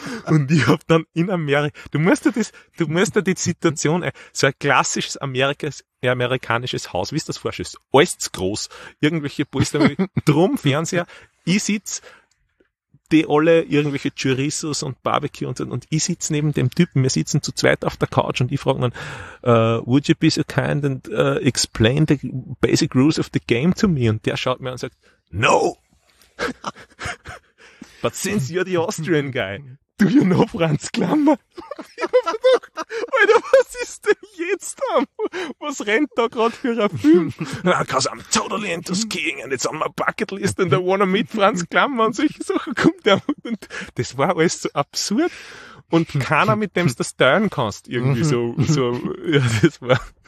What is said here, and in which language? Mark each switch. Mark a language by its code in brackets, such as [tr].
[de] Und ich habe dann in Amerika, du musst dir die Situation, so ein klassisches amerikanisches Haus, wie du das vorstellst, alles zu groß, irgendwelche Polster, drum Fernseher, ich sitze, die alle irgendwelche Chorizos und Barbecue und so. Und ich sitze neben dem Typen, wir sitzen zu zweit auf der Couch und ich frage ihn, [en] would you be so kind and explain the basic rules of the game to me? [de] Und der schaut mir an und sagt, no! [en] But since you're the Austrian guy, do you know Franz Klammer? [de] Alter, was ist denn jetzt da? Was rennt da gerade für ein Film? [en] Because I'm totally into skiing and it's on my bucket list and I wanna meet Franz Klammer [de] und solche Sachen kommt der. Und das war alles so absurd und keiner, mit dem du das teilen kannst, irgendwie so, ja, das war.